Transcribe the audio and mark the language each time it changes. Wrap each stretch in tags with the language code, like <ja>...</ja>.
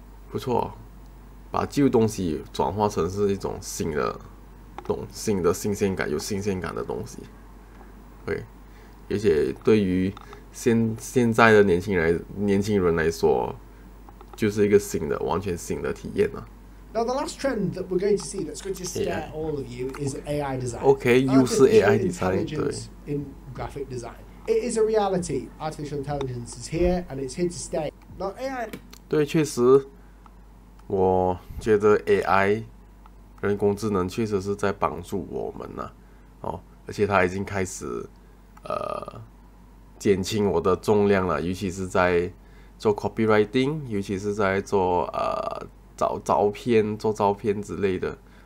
<zh>不错，把旧东西转化成是一种新的新鲜感，有新鲜感的东西。对，而且对于现在的年轻人来说，就是一个新的，完全新的体验了。</zh> <en>Now, the last trend that we're going to see that's going to scare all of you is AI design.</en> <zh>AI，OK，又是</zh> <en>Artificial AI design， intelligence in graphic design. It is a reality. Artificial intelligence is here and it's here to stay. Now, AI.</en> <zh>对，确实，我觉得 AI 人工智能确实是在帮助我们呢，而且它已经开始减轻我的重量了，尤其是在做 copywriting，尤其是在做找照片、做照片之类的。</zh>